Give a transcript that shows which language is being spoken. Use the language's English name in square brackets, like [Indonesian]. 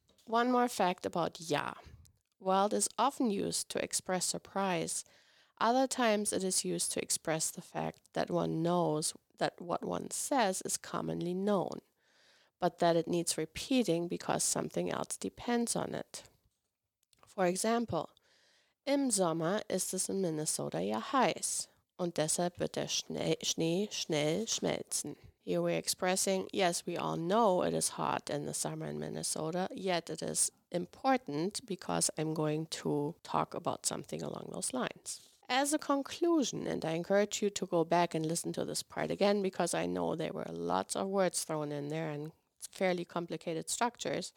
[English] One more fact about ja. While it is often used to express surprise, other times it is used to express the fact that one knows that what one says is commonly known, but that it needs repeating because something else depends on it. For example, [German] im Sommer ist es in Minnesota ja heiß und deshalb wird der Schnee schnell schmelzen. [English] Here we're expressing, yes, we all know it is hot in the summer in Minnesota, yet it is important because I'm going to talk about something along those lines. As a conclusion, and I encourage you to go back and listen to this part again because I know there were lots of words thrown in there and fairly complicated structures.